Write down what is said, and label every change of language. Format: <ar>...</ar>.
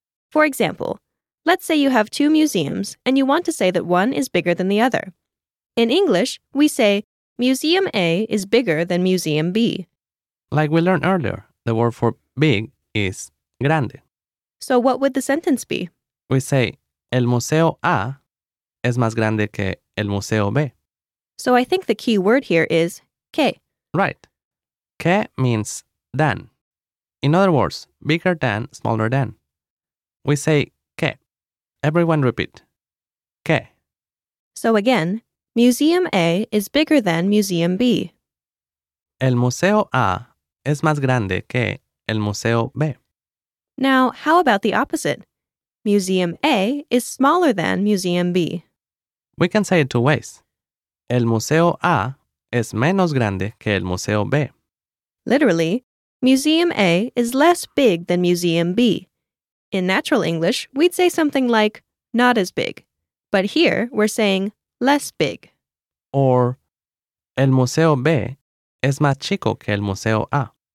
<en>For example, let's say you have two museums and you want to say that one is bigger than the other. In English, we say Museum A is bigger than Museum B. Like we learned earlier, the word for big is grande. So what would the sentence be? We say,</en> <es>el Museo A es más grande que el Museo B.</es> <en>So I think the key word here is que. Right. Que means than. In other words, bigger than, smaller than. We say que. Everyone repeat. Que. So again, Museum A is bigger than Museum B.</en> <es>El Museo A es más grande que el Museo B.</es> <en>Now, how about the opposite? Museum A is smaller than Museum B. We can say it two ways.</en> <es>El Museo A es menos grande que el Museo B.</es> <en>Literally, Museum A is less big than Museum B. In natural English, we'd say something like not as big. But here, we're saying less big.</en> <es>Or, el Museo B es más chico que el Museo A.</es>